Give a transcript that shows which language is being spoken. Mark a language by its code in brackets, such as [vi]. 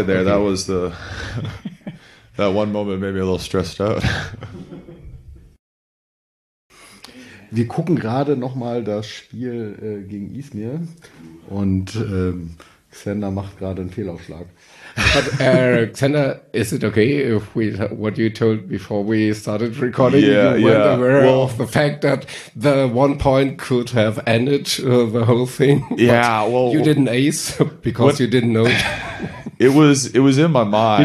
[en] There, that was the that one moment made me a little stressed out. [de] Wir gucken gerade nochmal das Spiel gegen Izmir und Xander macht gerade einen Fehlaufschlag. [en] But, Xander, is it okay if we what you told before we started recording? Yeah, you weren't aware of the fact that the one point could have ended the whole thing. Yeah, well, you didn't ace because you didn't know. It was in my mind.